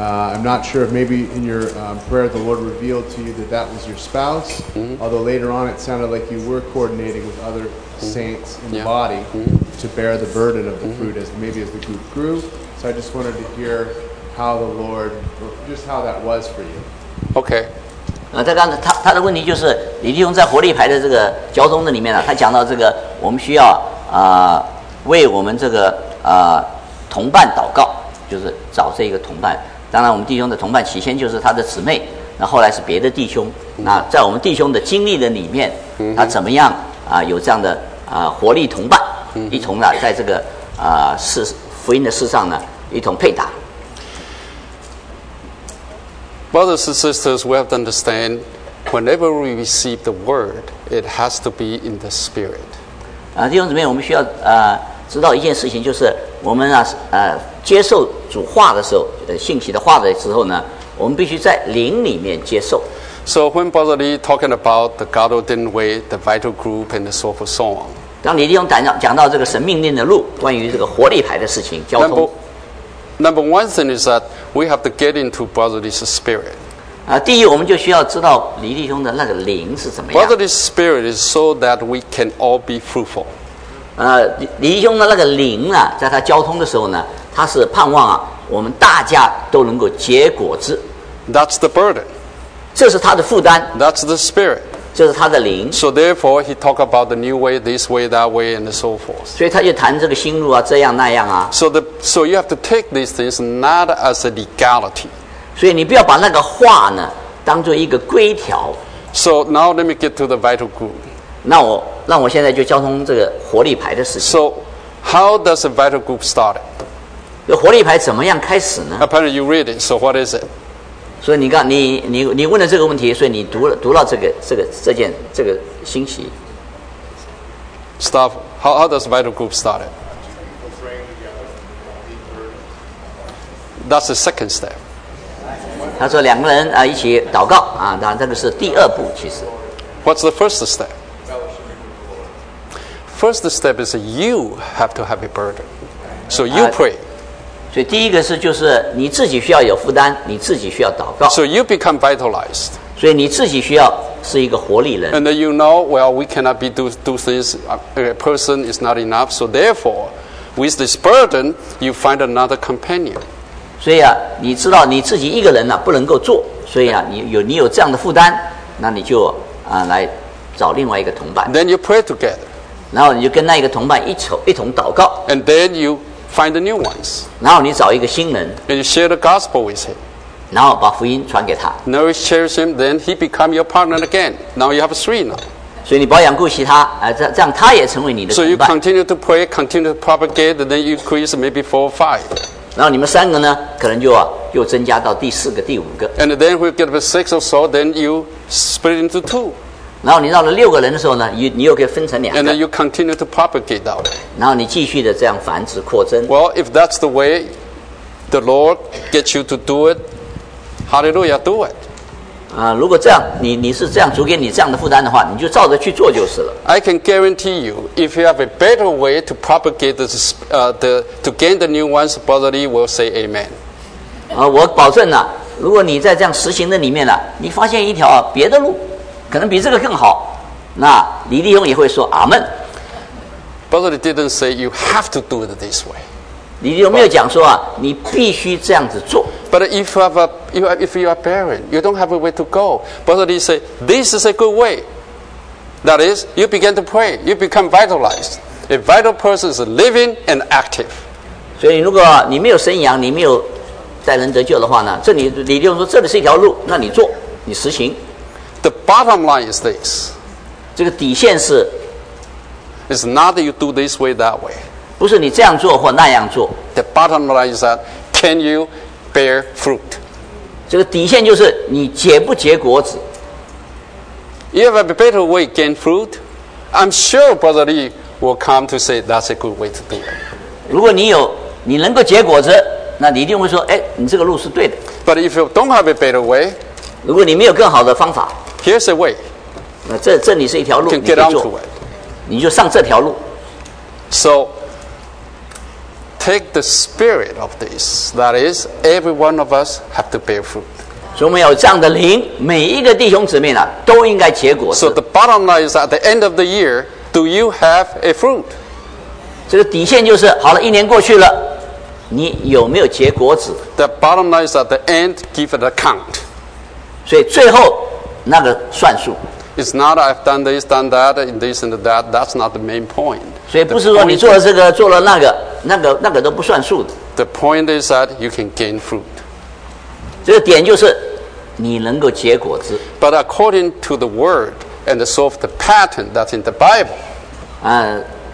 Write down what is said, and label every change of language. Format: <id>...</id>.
<en>I'm not sure if maybe in your prayer the Lord revealed to you that was your spouse,、mm-hmm. although later on it sounded like you were coordinating with other、mm-hmm. saints in、yeah. the body、mm-hmm. to bear the burden of the、mm-hmm. fruit as maybe as the group grew. So I just wanted to hear how the Lord, just how that was for you. Okay.</en> <zh>他刚才他的问题就是李弟兄在活力牌的这个交通的里面呢、啊、他讲到这个我们需要、为我们这个、同伴祷告就是找这个同伴当然我们弟兄的同伴起先就是他的姊妹那后来是别的弟兄那在我们弟兄的经历的里面他怎么样啊、有这样的啊、活力同伴一同呢、啊、在这个啊、福音的事上呢一同配搭</zh> <en>Brothers and sisters we have to understand whenever we receive the word it has to be in the spirit</en> <zh>啊、弟兄姊妹我们需要啊、知道一件事情就是我们啊、接受主话的时候、信息的话的时候呢我们必须在灵里面接受</zh> <en>So when Brother Lee talking about the God ordained way the vital group and so forth so on</en> <zh>当李弟兄讲到这个神命令的路关于这个活力牌的事情交通</zh> <en>number one thing is that we have to get into Brother Lee's spirit、</en> <zh>第一我们就需要知道李弟兄的那个灵是怎么样</zh> <en>Brother Lee's spirit is so that we can all be fruitful</en> <zh>李弟兄的那个灵呢、啊、在他交通的时候呢他是盼望啊我们大家都能够结果子</zh> <en>That's the burden</en> <zh>这是他的负担</zh> <en>That's the spirit</en> <zh>这是他的灵</zh> <en>So therefore he talk about the new way this way that way and so forth</en> <zh>所以他就谈这个新路啊这样那样啊</zh> <en>So you have to take these things not as a legality</en> <zh>所以你不要把那个话呢当作一个规条</zh> <en>So now let me get to the vital group</en> <zh>让我现在就交通这个活力牌的事情</zh> <en>So how does a vital group start it?</en> <zh>活力牌怎么样开始呢</zh> <en>Apparently you read it, so what is it?</en> <zh>所以你问了这个问题所以你读了这个信息</zh> <en>Stop. How does vital group start it? That's the second step.</en> <zh>他说两个人、啊、一起祷告、啊、那这个是第二步其实</zh> <en>What's the first step? First step is you have to have a burden. So you pray.</en> <zh>所以第一个是就是你自己需要有负担你自己需要祷告</zh> <en>So you become vitalized</en> <zh>所以你自己需要是一个活力人</zh> <en>And then you know well we cannot be do things a person is not enough so therefore with this burden you find another companion</en> <zh>所以啊，你知道你自己一个人呢、啊、不能够做，所以啊，你有这样的负担，那你就啊来找另外一个同伴。</zh> <en>Then you pray together.</en> <zh>然后你就跟那一个同伴一同祷告。</zh> <en>And then you find the new ones.</en> <zh>然后你找一个新人。</zh> <en>And you share the gospel with him.</en> <zh>然后把福音传给他。</zh> <en>Now you share him, then he become your partner again. Now you have three now.</en> <zh>所以你保养顾惜他、这样他也成为你的同伴。</zh> <en>So you continue to pray, continue to propagate, then you increase maybe four or five.</en> <zh>然后你们三个呢，可能就、啊、又增加到第四个、第五个。</zh> <en>And then we get to six or so, then you split into two.</en> <zh>然后你到了六个人的时候呢， 你又可以分成两个。</zh> <en>And then you continue to propagate that.</en> <zh>然后你继续的这样繁殖扩增。</zh> <en>Well, if that's the way the Lord gets you to do it, hallelujah, do it.</en> <zh>如果这样 你是这样主给你这样的负担的话，你就照着去做就是了。</zh> <en>I can guarantee you, if you have a better way to propagate this,to gain the new ones, brother Lee will say amen.</en> <zh>我保证了、如果你在这样实行的里面、你发现一条、别的路可能比这个更好，那李弟兄也会说阿们。</zh> <en>Brother Lee didn't say you have to do it this way.</en> <zh>李弟兄没有讲说、你必须这样子做。</zh> <en>But if you have a, if you are barren, you don't have a way to go. But he say, this is a good way. That is, you begin to pray, you become vitalized. A vital person is living and active.</en> <zh>所以如果你没有生养，你没有待人得救的话呢，这里李弟兄说这里是一条路，那你做，你实行。</zh> <en>The bottom line is this.</en> <zh>这个底线是。</zh> <en>It's not that you do this way, that way.</en> <zh>不是你这样做或那样做。</zh> <en>The bottom line is that, can you? Bear fruit.</en> <zh>这个底线就是你结不结果子。</zh> <en>You have a better way to gain fruit. I'm sure Brother Lee will come to say that's a good way to do it.</en> <zh>如果你有，你能够结果子，那你一定会说，哎，你这个路是对的。</zh> <en>But if you don't have a better way,</en> <zh>如果你没有更好的方法</zh> <en>，Here's a way.</en> <zh>那这里是一条路，你可以做。你就上这条路。</zh> <en>So. Take the spirit of this. That is, every one of us have to bear fruit.</en> <zh>所以我们有这样的灵，每一个弟兄姊妹呢，都应该结果子。</zh> <en>So the bottom line is, at the end of the year, do you have a fruit?</en> <zh>这个底线就是，好了，一年过去了，你有没有结果子？</zh> <en>The bottom line is, at the end, give an account.</en> <zh>所以最后那个算数。</zh> <en>It's not I've done this, done that, and this and that. That's not the main point.</en> <zh>所以不是说你做了这个，做了那个。那个都不算数的。</zh> <en>The point is that you can gain fruit.</en> <zh>这个点就是你能够结果子。</zh> <en>But according to the word and the sort of the pattern that's in the Bible.</en>